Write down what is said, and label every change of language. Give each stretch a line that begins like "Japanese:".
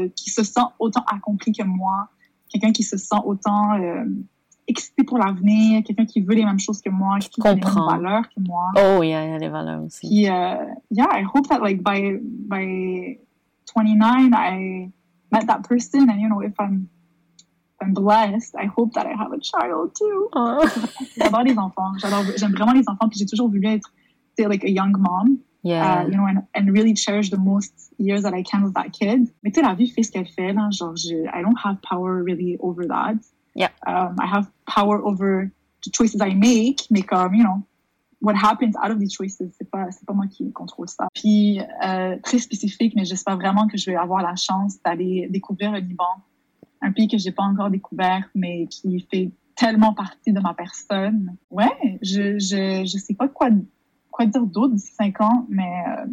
French: qui se sent autant accompli que moi, quelqu'un qui se sent autant excité pour l'avenir, quelqu'un qui veut les mêmes choses que moi, qui a les mêmes valeurs que moi.
English: Oh, yeah,
French: il y a les valeurs aussi.
English: Puis, yeah, I hope that, like, by 29, I met that person, and you know, if I'm blessed, I hope that I have a child too. Oh.
French: J'adore les enfants. J'aime vraiment les enfants. Puis j'ai toujours voulu être,
English: say, like a young mom. Yeah. You know, and really cherish the most years that I can with that kid.
French: Mais tu sais, la vie fait ce qu'elle fait. Là, genre,
English: I don't have power really over that. Yeah. I have power over the choices I make.
French: Mais comme,
English: you know. What happens out of these choices,
French: c'est pas moi qui contrôle ça. Puis, très spécifique, mais j'espère vraiment que je vais avoir la chance d'aller découvrir le Liban, un pays que j'ai pas encore découvert, mais qui fait tellement partie de ma personne. Ouais, je sais pas quoi dire d'autre d'ici 5 ans, mais...